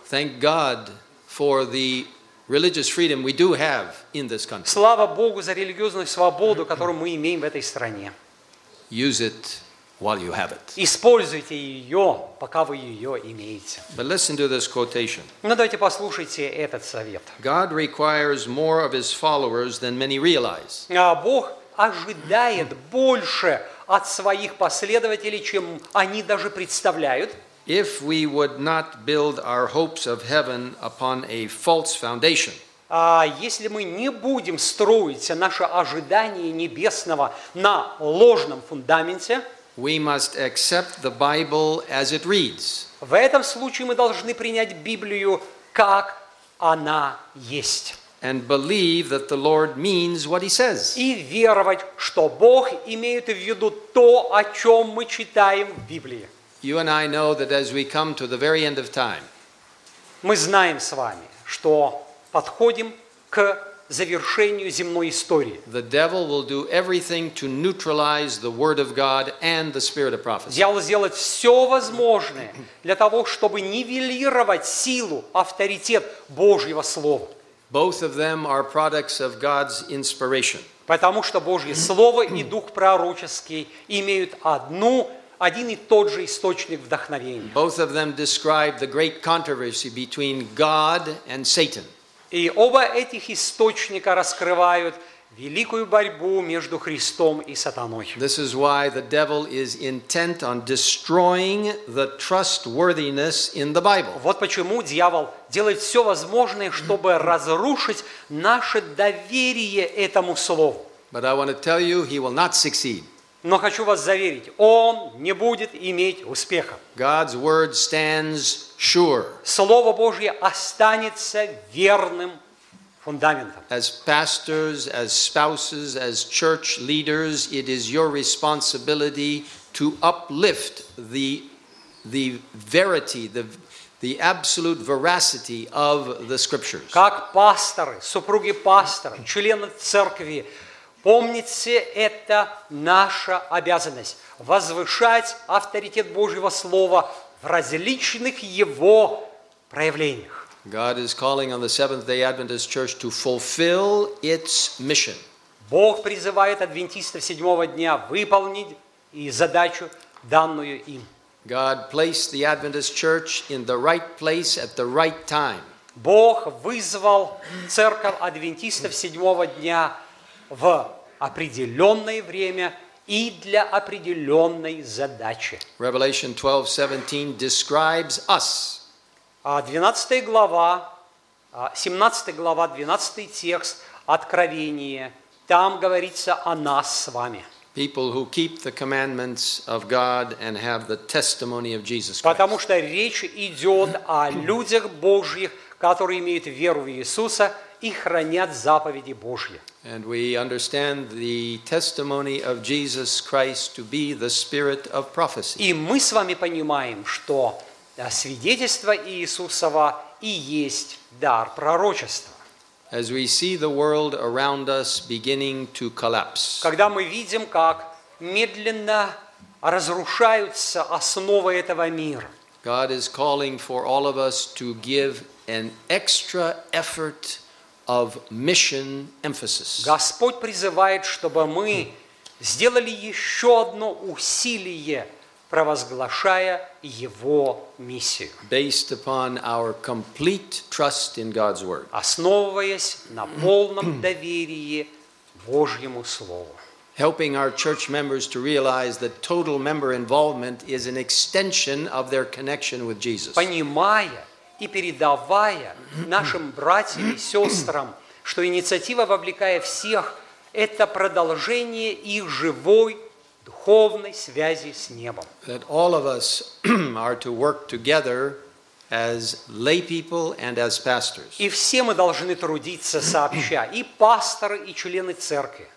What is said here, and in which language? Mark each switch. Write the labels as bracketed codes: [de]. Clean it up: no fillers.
[en] Thank God for the religious freedom we do have in this country. [ru] Слава Богу за религиозную свободу, которую мы имеем в этой стране. [en] Use it while you have it. [ru] Используйте её, пока вы её имеете. [en] But listen to this quotation. [ru] Ну, давайте послушайте этот совет. [en] God requires more of his followers than many realize. [ru] А Бог ожидает больше от своих последователей, чем они даже представляют. [en] If we would not build our hopes of heaven upon a false foundation. [ru] А если мы не будем строить наше ожидание небесного на ложном фундаменте, [en] we must accept the Bible as it reads. [ru] В этом случае мы должны принять Библию как она есть. [en] And believe that the Lord means what he says. [ru] И веровать, что Бог имеет в виду то, о чём мы читаем в Библии. [en] You and I know that as we come to the very end of time. [ru] Мы знаем с вами, что подходим к завершению земной истории. [en] The devil will do everything to neutralize the word of God and the spirit of prophecy. [ru] Дьявол сделает всё возможное для того, чтобы нивелировать силу, авторитет Божьего слова. [en] Both of them are products of God's inspiration. [ru] Потому что Божье слово и дух пророческий имеют один и тот же источник вдохновения. [en] Both of them describe the great controversy between God and Satan. [ru] И оба этих источника раскрывают великую борьбу между Христом и сатаной. [en] This is why the devil is intent on destroying the trustworthiness in the Bible. [ru] Вот почему дьявол делает всё возможное, чтобы разрушить наше доверие этому слову. [en] But I want to tell you, he will not succeed. [ru] Но хочу вас заверить, он не будет иметь успеха. [en] God's word stands sure. [ru] Слово Божье останется верным фундаментом. [en] As pastors, as spouses, as church leaders, it is your responsibility to uplift the verity, the absolute veracity of the scriptures. [ru] Как пасторы, супруги пастора, члены церкви, помните, это наша обязанность – возвышать авторитет Божьего Слова в различных его проявлениях. [en] God is calling on the Seventh-day Adventist Church to fulfill its mission. [ru] Бог призывает адвентистов седьмого дня выполнить и задачу, данную им. [en] God placed the Adventist Church in the right place at the right time. [ru] Бог вызвал церковь адвентистов седьмого дня в определённое время и для определённой задачи. [en] Revelation 12:17 describes us. [ru] 12 глава, 12 текст Откровения, там говорится о нас с вами. [en] People who keep the commandments of God and have the testimony of Jesus Christ. [ru] Потому что речь идет о людях Божьих, которые имеют веру в Иисуса и хранят заповеди Божьи. [en] And we understand the testimony of Jesus Christ to be the spirit of prophecy. [ru] И мы с вами понимаем, что свидетельство Иисусова и есть дар пророчества. [en] As we see the world around us beginning to collapse. [ru] Когда мы видим, как медленно разрушаются основы этого мира. [en] God is calling for all of us to give an extra effort of mission emphasis. [ru] Господь призывает, чтобы мы сделали еще одно усилие, провозглашая его миссию. [en] Based upon our complete trust in God's word. [ru] Основываясь на полном доверии Божьему слову. [en] Helping our church members to realize that total member involvement is an extension of their connection with Jesus. [ru] Понимая и передавая нашим братьям и сестрам, что инициатива, вовлекая всех, это продолжение их живой духовной связи с небом. [en] That all of us are to work together as lay people and as pastors. [ru] И все мы должны трудиться сообща, и пасторы, и члены церкви.